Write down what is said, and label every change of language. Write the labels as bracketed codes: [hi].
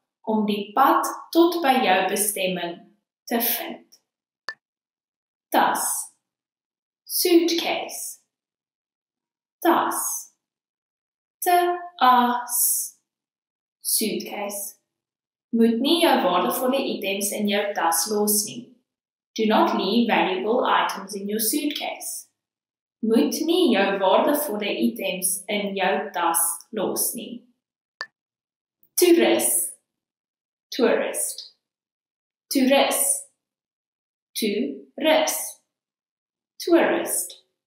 [af] om die pad tot by jou bestemming te vind. Tas, suitcase. Tas, tas, suitcase. Moet nie jou waardevolle items in jou tas los nie. [en] Do not leave valuable items in your suitcase. [af] Moet nie jou waardevolle items in jou tas los nie. [en] Toerist, tourist, tourist, tourist, tourist.